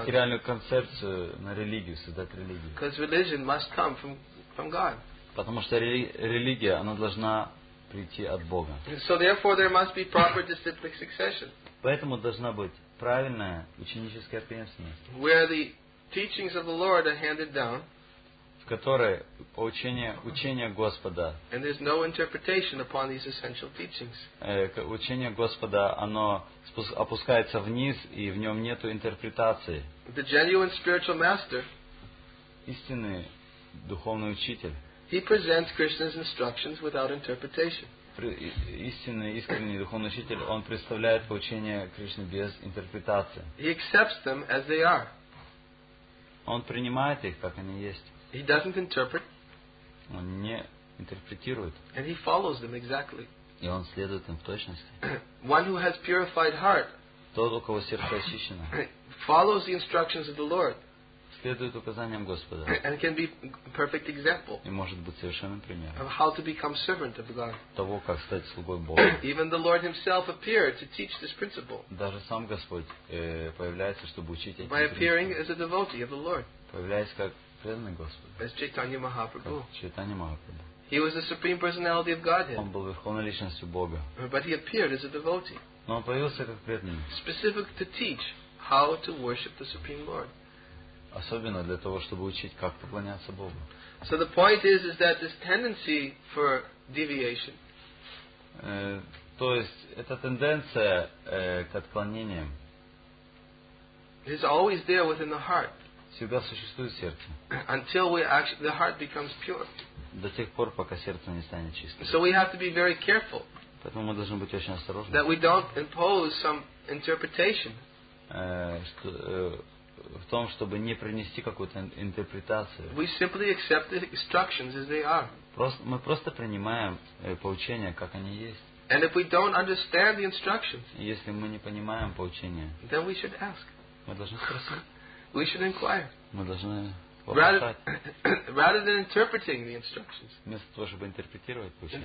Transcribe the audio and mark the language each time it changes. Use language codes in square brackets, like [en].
[ru] материальную концепцию на религию, создать религию. [en] Because religion must come from God. [ru] Потому что религия, она должна прийти от Бога. [en] So therefore there must be proper disciplic succession. [ru] Поэтому должна быть правильная ученическая преемственность. [en] Where the teachings of the Lord are handed down. [ru] В которой учение Господа. [en] And there's no interpretation upon these essential teachings. [ru] Учение Господа, оно опускается вниз, и в нем нету интерпретации. [en] The genuine spiritual master. [ru] Истинный духовный учитель. [en] He presents Krishna's instructions without interpretation. [ru] Истинный, искренний духовный учитель, он представляет поучение Кришны без интерпретации. [en] He accepts them as they are. [ru] Он принимает их, как они есть. [en] He doesn't interpret. [ru] Он не интерпретирует. [en] And he follows them exactly. [ru] И он следует им в точности. [en] One who has purified heart. [ru] Тот, у кого сердце очищено. [en] Follows the instructions of the Lord. [ru] Следует указаниям Господа. [en] And can be perfect example. [ru] И может быть совершенным примером. [en] Of how to become servant of God. [ru] Того, как стать слугой Бога. [en] Even the Lord Himself appeared to teach this principle. [ru] Даже сам Господь появляется, чтобы учить эти. [en] By appearing as a devotee of the Lord. [ru] Появляясь как преданный Господу. [en] As Chaitanya Mahaprabhu. Chaitanya Mahaprabhu. He was the supreme personality of Godhead. [ru] Он был верховной личностью Бога. [en] But he appeared as a devotee. [ru] Но он появился как преданный. [en] Specific to teach how to worship the supreme Lord. [ru] Особенно для того, чтобы учить, как поклоняться Богу. [en] So the point is that this tendency for deviation. [ru] То есть эта тенденция к отклонениям. [en] Is always there within the heart. [ru] Всегда существует в сердце. [en] Until we actually, the heart becomes pure. [ru] До тех пор, пока сердце не станет чистым. [en] So we have to be very careful. [ru] Поэтому мы должны быть очень осторожны. [en] That we don't impose some interpretation. [ru] В том, чтобы не принести какую-то интерпретацию. [en] We simply accept the instructions as they are. [ru] Мы просто принимаем поучения, как они есть. [en] And if we don't understand the instructions, [ru] если мы не понимаем поучения, [en] then we should ask. [ru] Мы должны спросить. [en] We should inquire. [ru] Мы должны вопрошать. [en] Rather than interpreting the instructions. [ru] Вместо того, чтобы интерпретировать поучения.